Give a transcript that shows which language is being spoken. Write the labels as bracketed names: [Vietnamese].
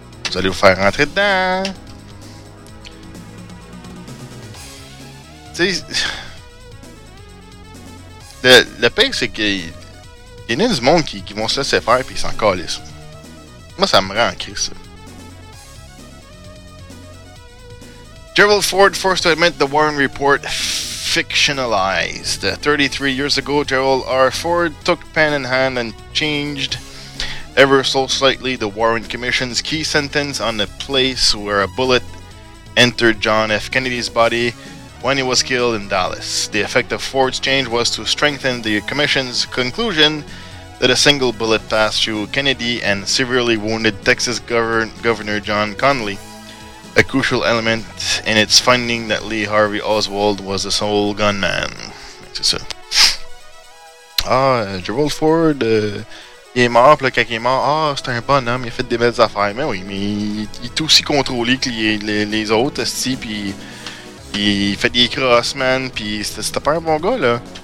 [French] vous allez vous faire rentrer dedans. Tu sais, le pire, c'est qu'il y en a du monde qui vont se laisser faire pis s'en calissent. Moi, ça me rend en crise, ça. [English] Gerald Ford forced to admit the Warren Report fictionalized. 33 years ago, Gerald R. Ford took pen in hand and changed ever so slightly the Warren Commission's key sentence on the place where a bullet entered John F. Kennedy's body when he was killed in Dallas. The effect of Ford's change was to strengthen the commission's conclusion that a single bullet passed through Kennedy and severely wounded Texas Governor John Connally, a crucial element in its finding that Lee Harvey Oswald was the sole gunman. [French] C'est ça. Ah, Gerald Ford, il est mort, puis quand il est mort, ah, c'est un bonhomme, il a fait des belles affaires. Mais oui, mais il est aussi contrôlé que les autres, c'ti, puis il fait des crossman, puis c'était pas un bon gars, là.